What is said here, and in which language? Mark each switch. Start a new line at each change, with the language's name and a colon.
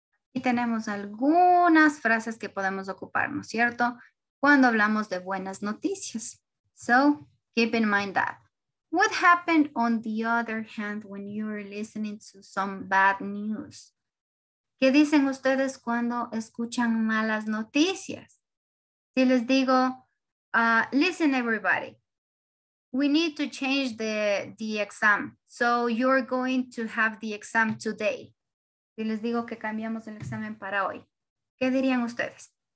Spanish: Aquí tenemos algunas frases que podemos ocupar, ¿no es cierto? Cuando hablamos de buenas noticias.
English: So, keep in mind that. What happened on the other hand when you were listening to some bad news?
Spanish: ¿Qué dicen ustedes cuando escuchan malas noticias? Si les digo,
English: listen everybody, we need to change the exam. So you're going to have the exam today.
Spanish: Si les digo que cambiamos el examen para hoy, ¿qué dirían ustedes?